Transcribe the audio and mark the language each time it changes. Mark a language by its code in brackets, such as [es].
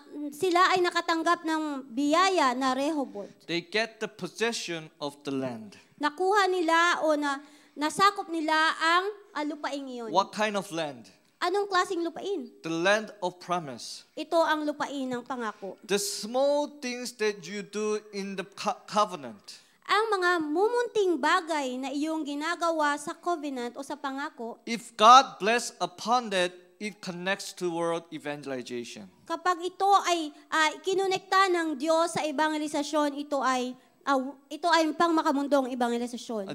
[tl] Sila ay nakatanggap ng biyaya na Rehoboth. [en] They get the possession of the land. [tl] Nakuha nila o nasakop nila ang lupaing iyon. [en] What kind of land? [tl] Anong klaseng lupain? [en] The land of promise. [tl] Ito ang lupain ng pangako. [en] The small things that you do in the covenant. [tl] Ang mga mumunting bagay na iyong ginagawa sa covenant o sa pangako. [en] If God bless upon that, it connects to world evangelization. [tl] Kapag ito ay kinonekta ng Diyos sa ebangelisasyon, ito ay pang makamundong ebangelisasyon.